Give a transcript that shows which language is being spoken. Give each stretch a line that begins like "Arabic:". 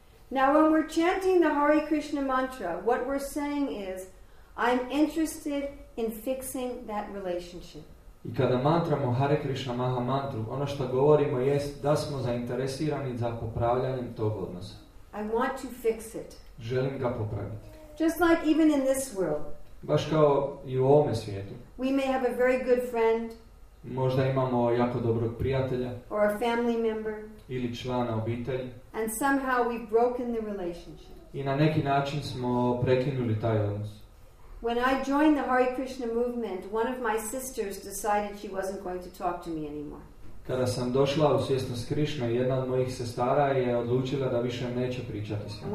English: Now when we're chanting the Hare Krishna mantra, what we're saying is, I'm interested in fixing that relationship.
Croatian: I kada mantramo Hare Krishna Maha mantru, ono što govorimo jest da smo zainteresirani za popravljanjem tog odnosa.
English: I want to fix it.
Croatian: Želim ga popraviti.
English: Just like even in this world.
Croatian: Baš kao i u ovome svijetu.
English: We may have a very good friend.
Croatian: Možda imamo jako dobrog prijatelja.
English: Or a family member.
Croatian: Ili člana obitelji.
English: And somehow we've broken the relationship.
Croatian: I na neki način smo prekinuli taj odnos.
English: When I joined the Hare Krishna movement, one of my sisters decided she wasn't going to talk to me anymore.
Croatian: Kada sam došla u svjesnost Krishna, jedna od mojih sestara je odlučila da više neće pričati s mnom.